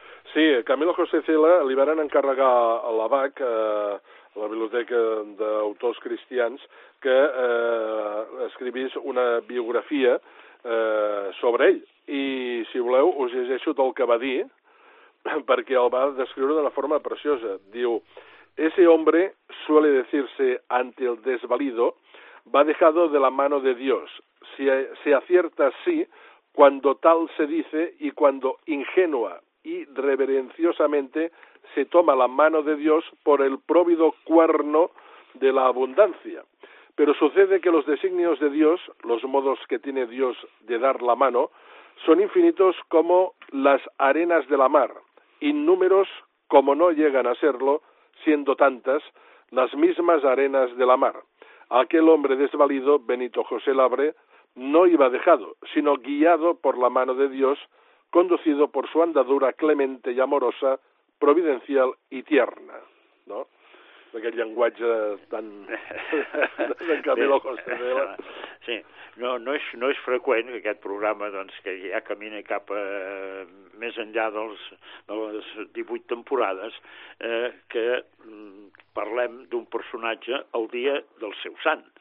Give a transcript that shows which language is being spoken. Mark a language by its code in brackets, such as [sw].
[ca] Sí, Camilo José Cela li van encarregar a la BAC, a la Biblioteca d'Autors Cristians, que escrivís una biografia sobre ell. I, si voleu, us llegeixo tot el que va dir, perquè el va descriure d'una forma preciosa. Diu, [es] ese hombre suele decirse ante el desvalido, va dejado de la mano de Dios. Se acierta así cuando tal se dice y cuando ingenua y reverenciosamente se toma la mano de Dios por el próvido cuerno de la abundancia. Pero sucede que los designios de Dios, los modos que tiene Dios de dar la mano, son infinitos como las arenas de la mar, innúmeros como no llegan a serlo, siendo tantas las mismas arenas de la mar. Aquel hombre desvalido, Benito José Labre, no iba dejado, sino guiado por la mano de Dios, conducido por su andadura clemente y amorosa, providencial y tierna, ¿no? [ca] Aquest llenguatge tan... de Camilo José Cela. Sí, no és freqüent que aquest programa, doncs, que ja camina cap a, més enllà de les 18 temporades, que parlem d'un personatge el dia del seu sant.